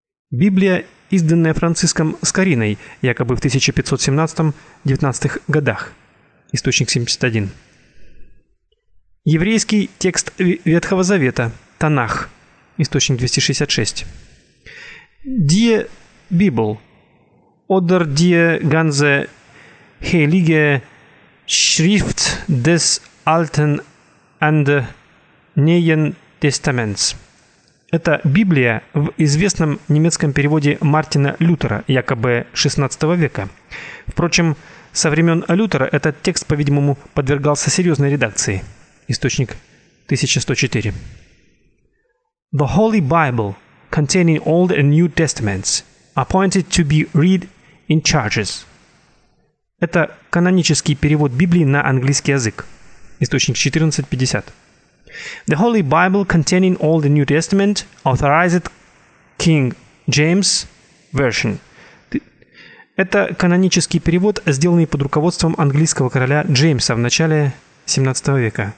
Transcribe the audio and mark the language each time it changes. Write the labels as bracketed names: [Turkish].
[Russian] Библия, изданная Франциском Скориной, якобы в 1517-19 годах. Источник 71. Еврейский текст Ветхого Завета, Танах. Источник 266. [German] Die Bibel, oder die ganze Heilige Schrift des Alten und Neuen Testaments. [Russian] Это Библия в известном немецком переводе Мартина Лютера, якобы 16 века. Впрочем, со времен Лютера этот текст, по-видимому, подвергался серьезной редакции. Источник 1104. [English] The Holy Bible, containing Old and New Testaments, appointed to be read in churches. [Russian] Это канонический перевод Библии на английский язык. Источник 1450. [English] The Holy Bible containing all the New Testament authorized King James Version. [Russian] Это канонический перевод, сделанный под руководством английского короля Джеймса в начале 17 века.